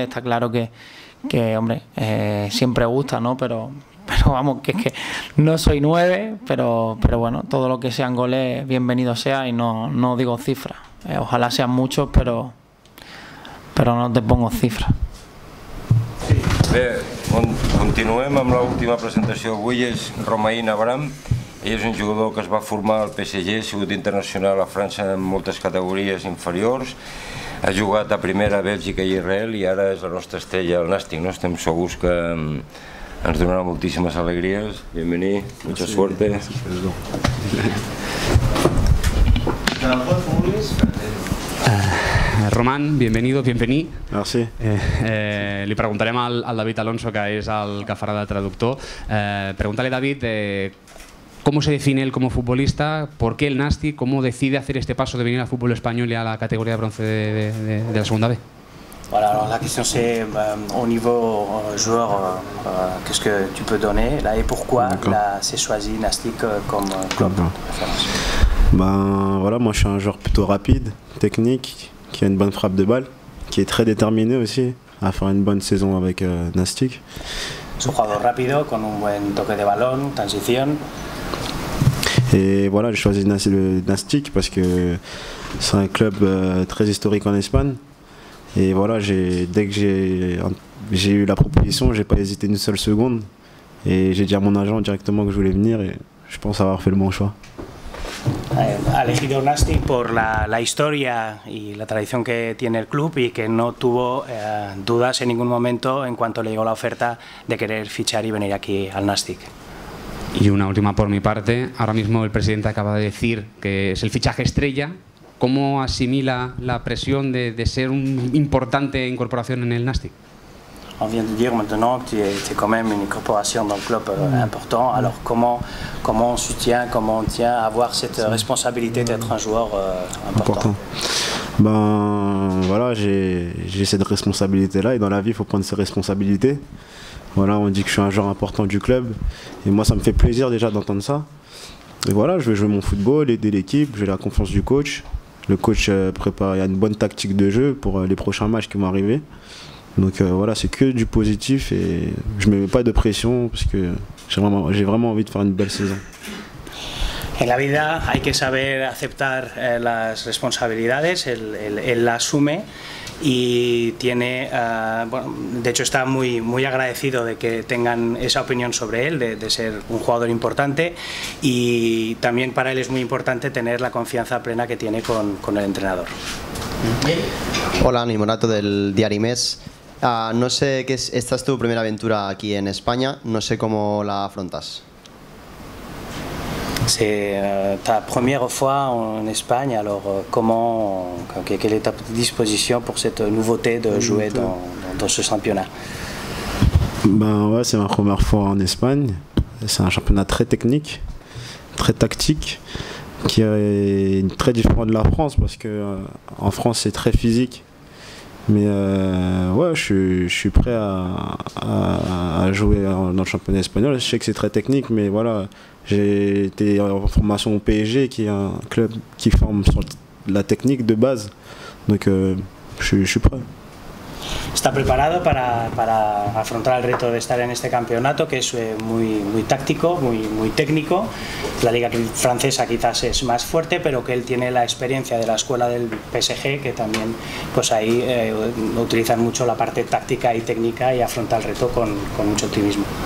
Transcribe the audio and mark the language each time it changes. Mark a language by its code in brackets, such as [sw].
[es] Está claro que hombre, siempre gusta, ¿no? Pero vamos, que no soy 9, pero bueno, todo lo que sean goles, bienvenido sea y no digo cifras. Ojalá sean muchos, pero no te pongo cifras. [ca] Bé, continuem amb l'última presentació d'avui, és Romain Abraham. Ell és un jugador que es va formar al PSG, ha sigut internacional a França en moltes categories inferiors, ha jugat a primera a Bèlgica i Israel i ara és la nostra estrella al Nàstic, no? Estem segurs que ens donarà moltíssimes alegries. [es] Bienvenido, mucha suerte. Román, bienvenido, [ca] bienvení. [fr] Merci. [ca] Li preguntarem al David Alonso, que és el que farà de traductor. [es] Pregúntale, David, ¿cómo se define él como futbolista? ¿Por qué el Nasti? ¿Cómo decide hacer este paso de venir al fútbol español y a la categoría de bronce de la segunda B? [fr] Voilà, alors la question c'est au niveau joueur, qu'est-ce que tu peux donner là et pourquoi là, c'est choisi Nastic comme club? Ben voilà, moi je suis un joueur plutôt rapide, technique, qui a une bonne frappe de balle, qui est très déterminé aussi à faire une bonne saison avec Nastic. C'est un joueur rapide, avec un bon toque de ballon, transition. Et voilà, j'ai choisi le Nastic parce que c'est un club très historique en Espagne. Et voilà, dès que j'ai eu la proposition, j'ai pas hésité une seule seconde. Et j'ai dit à mon agent directement que je voulais venir et je pense avoir fait le bon choix. [es] Ha elegido Nasti por la historia y la tradición que tiene el club y que no tuvo dudas en ningún momento en cuanto le llegó la oferta de querer fichar y venir aquí al Nasti. Y una última por mi parte. Ahora mismo el presidente acaba de decir que es el fichaje estrella. ¿Cómo asimila la presión de ser una importante incorporación en el Nasti? [fr] On vient de dire maintenant que tu es quand même une incorporation dans le club important. Alors comment on soutient, comment on tient à avoir cette responsabilité d'être un joueur important? Ben voilà, j'ai cette responsabilité-là et dans la vie, il faut prendre ses responsabilités. Voilà, on dit que je suis un joueur important du club et moi, ça me fait plaisir déjà d'entendre ça. Et voilà, je vais jouer mon football, aider l'équipe, j'ai la confiance du coach. le coach prépare, il y a une bonne tactique de jeu pour les prochains matchs qui vont arriver. Donc voilà, c'est que du positif et je ne mets pas de pression parce que j'ai vraiment envie de faire une belle saison. [es] En la vida hay que saber aceptar las responsabilidades, él la asume y tiene, bueno, de hecho está muy, muy agradecido de que tengan esa opinión sobre él, de ser un jugador importante y también para él es muy importante tener la confianza plena que tiene con el entrenador. Hola, Ani Morato del Diario Més. No sé, que esta es tu primera aventura aquí en España, no sé cómo la afrontas. [fr] C'est ta première fois en Espagne, alors comment, quelle est ta disposition pour cette nouveauté de jouer dans ce championnat? Ben ouais, c'est ma première fois en Espagne. C'est un championnat très technique, très tactique, qui est très différent de la France parce que en France c'est très physique. Mais ouais, je suis prêt à jouer dans le championnat espagnol. Je sais que c'est très technique, mais voilà. J'ai été en formation au PSG, qui est un club qui forme sur la technique de base. Donc, je suis prêt. [es] ¿Está preparado para afrontar el reto de estar en este campeonato, que es muy, muy táctico, muy, muy técnico? La liga francesa quizás es más fuerte, pero que él tiene la experiencia de la escuela del PSG, que también pues ahí utilizan mucho la parte táctica y técnica y afronta el reto con mucho optimismo.